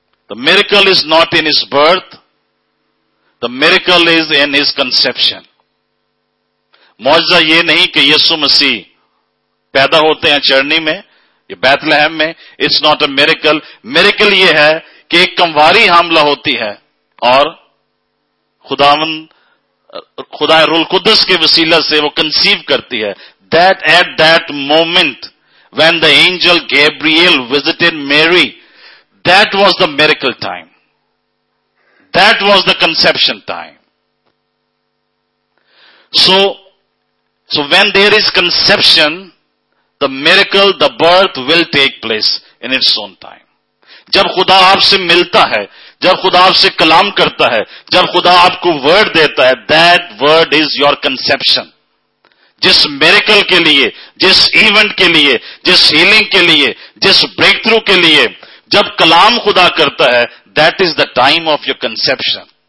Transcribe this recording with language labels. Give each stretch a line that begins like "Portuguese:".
English: The miracle is not in his birth. The miracle is in his conception.
Hindi: मौजजा ये नहीं कि यीशु मसीह पैदा होते हैं चरनी में, ये बैतलहम में.
English: It's not a miracle.
Hindi: Miracle ये है कि एक कंवारी हमला होती है और खुदावन खुदा रूल कुदस के वसीला से वो कंसीव करती है.
English: That at that moment when the angel Gabriel visited Mary, that was the miracle time. That was the conception time. So when there is conception, the miracle, the birth will take place in its own time.
Hindi: जब खुदा आपसे मिलता है, जब खुदा आपसे कलाम करता है, जब खुदा आपको वर्ड देता है, that word is your conception. जिस miracle के लिए, जिस event के लिए, जिस healing के लिए, जिस breakthrough के लिए जब कलाम खुदा करता है, that is the time of your conception.